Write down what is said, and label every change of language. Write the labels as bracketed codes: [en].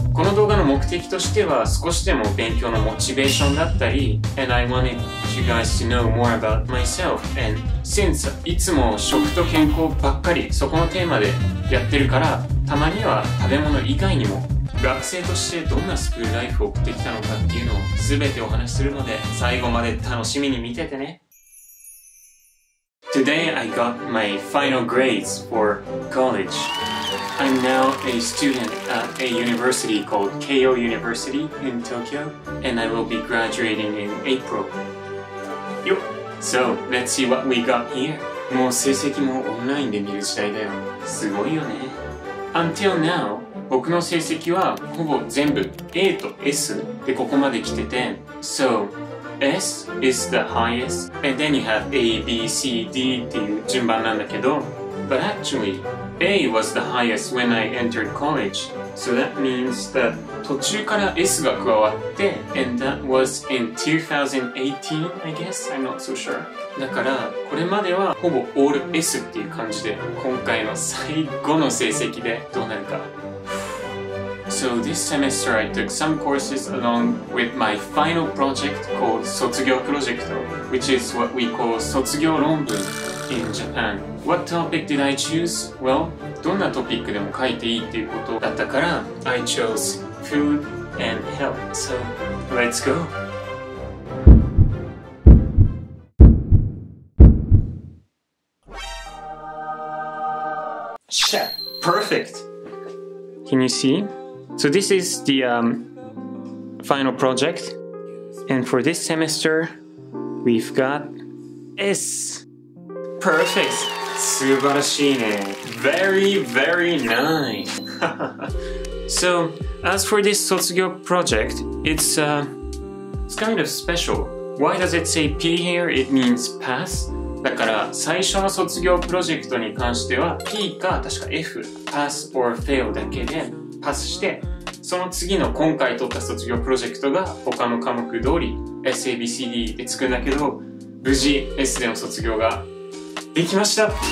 [ja] この動画の目的としては少しでも勉強のモチベーションだったり、 [en] And I wanted you guys to know more about myself. And since [ja] いつも食と健康ばっかりそこのテーマでやってるから、たまには食べ物以外にも学生としてどんなスクールライフを送ってきたのかっていうのを全てお話しするので、最後まで楽しみに見ててね。 [en] Today I got my final grades for college. I'm now a student at a university called Keio University in Tokyo, and I will be graduating in April. [ja] よ、 [en] So let's see what we got here. [ja] もう成績もオンラインで見る時代だよ。すごいよね。 [en] Until now, [ja] 僕の成績はほぼ全部 A と S でここまで来てて、 [en] So, S is the highest, and then you have A, B, C, D [ja] っていう順番なんだけど、 [en] But actually, A was the highest when I entered college, so that means that [ja] 途中から S が加わって、 [en] And that was in 2018, I guess, I'm not so sure. [ja] だからこれまではほぼオール S っていう感じで、今回の最後の成績でどうなるか。 [en] So this semester I took some courses along with my final project called 卒業プロジェクト which is what we call 卒業論文 in Japan. What topic did I choose? Well, [ja] どんなトピックでも書いていいっていうことだったから、 [en] I chose food and health. So let's go Perfect! Can you see? So this is the final project. And for this semester, we've got S! Perfect! [ja] 素晴らしいね。 [en] Very, very nice! So, as for this 卒業 project, it's kind of special. Why does it say P here? It means pass. [ja] だから最初の卒業プロジェクトに関しては P か確か F [en] Pass or Fail [ja] だけでパスして、その次の今回取った卒業プロジェクトが他の科目通り SABCD でつくんだけど、無事 S での卒業ができました。